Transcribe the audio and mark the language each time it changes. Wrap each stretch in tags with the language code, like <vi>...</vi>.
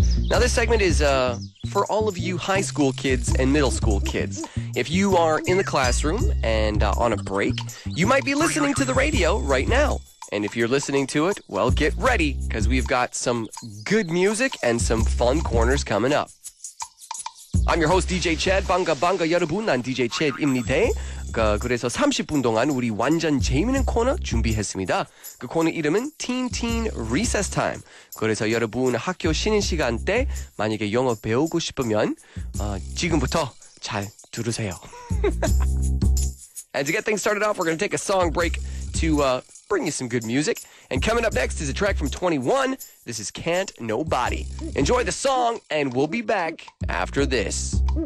<en>Now, this segment is for all of you high school kids and middle school kids. If you are in the classroom and on a break, you might be listening to the radio right now. And if you're listening to it, well, get ready, because we've got some good music and some fun corners coming up. I'm your host, DJ Chad.</en> <ko>방가 방가 여러분, 난 DJ Chad입니다. 그래서 30분 동안 우리 완전 재미있는 코너 준비했습니다. 그 코너 이름은 Teen Teen Recess Time. 그래서 여러분 학교 쉬는 시간 때 만약에 영어 배우고 싶으면 지금부터 잘 들으세요.</ko> <en>And to get things started off, we're going to take a song break to bring you some good music. And coming up next is a track from 21. This is Can't Nobody. Enjoy the song, and we'll be back after this.</en>